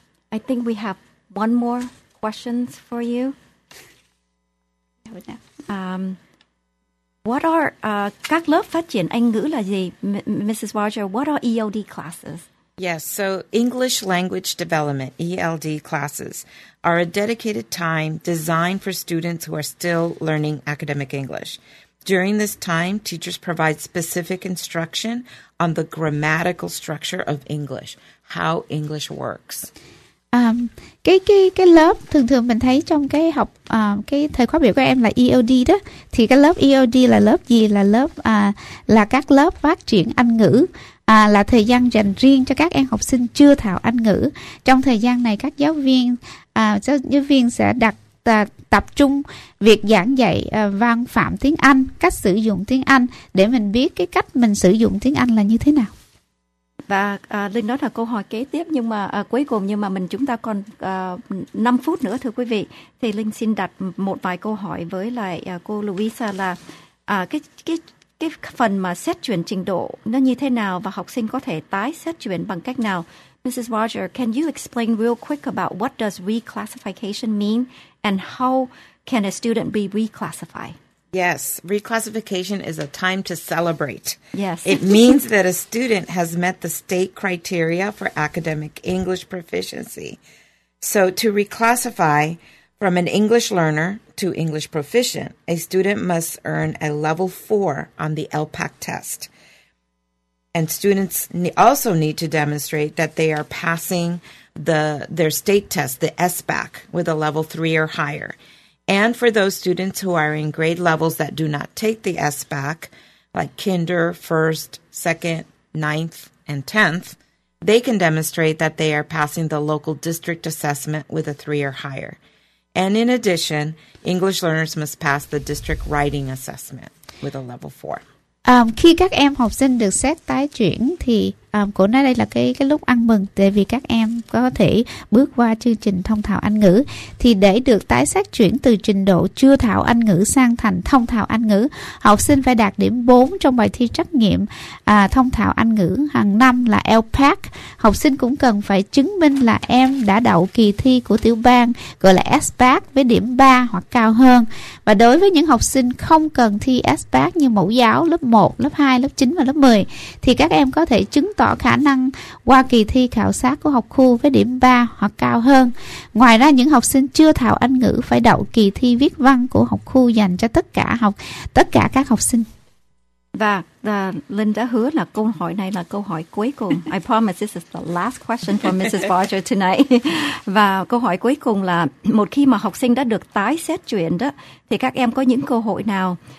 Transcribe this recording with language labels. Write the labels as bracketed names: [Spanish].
[English] I think we have one more questions for you. What are [Vietnamese] các lớp phát triển Anh ngữ là gì, Mrs. [English] Roger? What are ELD classes? Yes, so English Language Development, ELD classes, are a dedicated time designed for students who are still learning academic English. During this time, teachers provide specific instruction on the grammatical structure of English, how English works. [Vietnamese] Cái lớp thường thường mình thấy trong cái học cái thời khóa biểu của em là ELD đó, thì cái lớp ELD là lớp gì, là lớp là các lớp phát triển Anh ngữ, là thời gian dành riêng cho các em học sinh chưa thạo Anh ngữ. Trong thời gian này các giáo viên sẽ đặt tập trung việc giảng dạy văn phạm tiếng Anh, cách sử dụng tiếng Anh để mình biết cái cách mình sử dụng tiếng Anh là như thế nào. Và Linh đó là câu hỏi kế tiếp, nhưng mà cuối cùng, nhưng mà mình chúng ta còn 5 phút nữa thưa quý vị, thì Linh xin đặt một vài câu hỏi với lại cô Louisa là cái phần mà xét chuyển trình độ nó như thế nào và học sinh có thể tái xét chuyển bằng cách nào. [English] Mrs. Roger, can you explain real quick about what does reclassification mean and how can a student be reclassified? Yes, reclassification is a time to celebrate. Yes. It means that a student has met the state criteria for academic English proficiency. So to reclassify from an English learner to English proficient, a student must earn a level 4 on the LPAC test. And students also need to demonstrate that they are passing their state test, the SBAC, with a level 3 or higher. And for those students who are in grade levels that do not take the SBAC, like kinder, first, second, ninth, and 10th, they can demonstrate that they are passing the local district assessment with a 3 or higher. And in addition, English learners must pass the district writing assessment with a level 4. [Vietnamese] Khi các em học sinh được xét tái chuyển thì cổ nói đây là cái lúc ăn mừng, tại vì các em có thể bước qua chương trình thông thạo Anh ngữ. Thì để được tái xét chuyển từ trình độ chưa thạo Anh ngữ sang thành thông thạo Anh ngữ, học sinh phải đạt điểm 4 trong bài thi trắc nghiệm thông thạo Anh ngữ hàng năm là LPAC. Học sinh cũng cần phải chứng minh là em đã đậu kỳ thi của tiểu bang gọi là SBAC với điểm 3 hoặc cao hơn. Và đối với những học sinh không cần thi SBAC như mẫu giáo lớp 1, lớp 2, lớp 9 và lớp 10 thì các em có thể chứng tỏ khả năng qua kỳ thi khảo sát của học khu với điểm 3 hoặc cao hơn. Ngoài ra, những học sinh chưa thạo Anh ngữ phải đậu kỳ thi viết văn của học khu dành cho tất cả các học sinh. Và Linh đã hứa là câu hỏi này là câu hỏi cuối cùng. [English] I promise this is the last question for Mrs. Barger tonight. [Vietnamese] Và câu hỏi cuối cùng là một khi mà học sinh đã được tái xét chuyển đó, thì các em có những cơ hội nào?